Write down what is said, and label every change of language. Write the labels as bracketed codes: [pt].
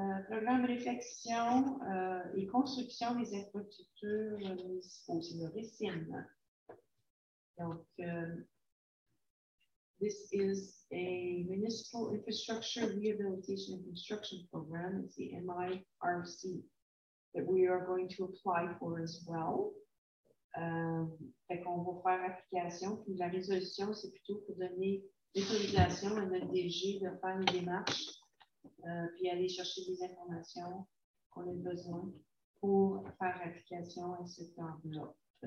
[fr] Programme de réfection et construction des infrastructures municipales, c'est le RICIM. [en] Donc, this is a Municipal Infrastructure Rehabilitation and Construction Program, it's the MIRC. That we are going to apply for as well. [fr] Fait qu'on va faire application. Puis la résolution, c'est plutôt pour donner l'autorisation à notre DG de faire une démarche, puis aller chercher des informations qu'on a besoin pour faire application à cette enveloppe.